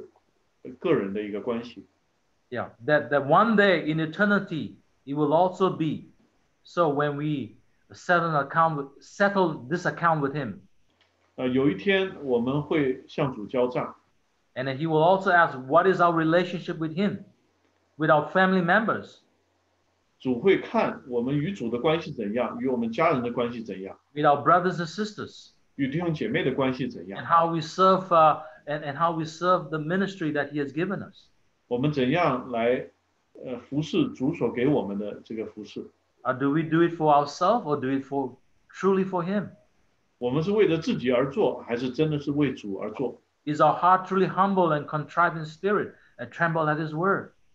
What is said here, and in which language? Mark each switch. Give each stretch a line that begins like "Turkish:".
Chinese: 我们现在与主的关系是个人的一个关系。
English: Yeah, that one day in eternity it will also be. So when we settle this account with him.
Chinese: 有一天我们会向主交账。
English: And then he will also ask, what is our relationship with him, with our family members?
Chinese: 主会看我们与主的关系怎样，与我们家人的关系怎样。
English: With our brothers and sisters.
Chinese: 与弟兄姐妹的关系怎样。
English: And how we serve how we serve the ministry that he has given us.
Chinese: 我们怎样来服侍主所给我们的这个服侍。
English: Do we do it for ourselves or do it truly for him?
Chinese: 我们是为了自己而做，还是真的是为主而做？
English: Is our heart truly humble and contrite in spirit and tremble at his word?